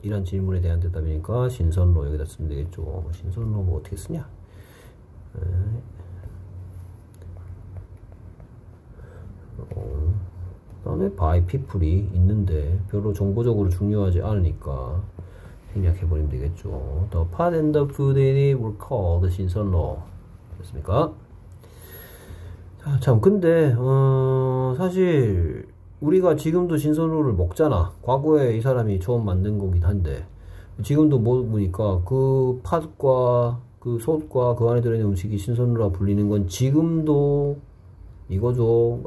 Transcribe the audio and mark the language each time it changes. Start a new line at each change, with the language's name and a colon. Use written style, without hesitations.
Korean: 이런 질문에 대한 대답이니까 신선로 여기다 쓰면 되겠죠. 신선로 뭐 어떻게 쓰냐? 그다음에 by people이 있는데 별로 정보적으로 중요하지 않으니까 생략해 버리면 되겠죠.
English: The pot and the food in it were called 신선로
Korean: 됐습니까? 자, 참 근데 사실 우리가 지금도 신선로를 먹잖아. 과거에 이 사람이 처음 만든 거긴 한데 지금도 먹으니까 그 팥과 그 솥과 그 안에 들어있는 음식이 신선로라 불리는 건 지금도 이거죠.